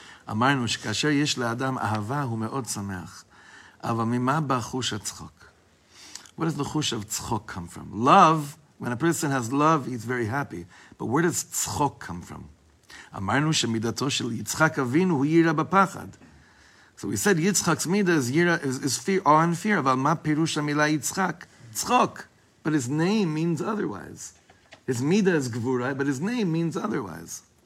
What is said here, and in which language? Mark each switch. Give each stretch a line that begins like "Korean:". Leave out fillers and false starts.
Hebrew: אמרנו שכאשר יש לאדם אהבה הוא מאוד שמח. אבל ממה בא חוש הצחוק?
English: Where does the חוש of צחוק come from? Love, when a person has love, he's very happy. But where does צחוק come from?
Hebrew: אמרנו שמידתו של יצחק אבינו הוא יירה בפחד.
English: So we said יצחק's מידה is fear, awe and fear.
Hebrew: אבל מה פירוש המילה יצחק? צחוק.
English: But his name means otherwise. His מידה is גבורה, but his name means otherwise.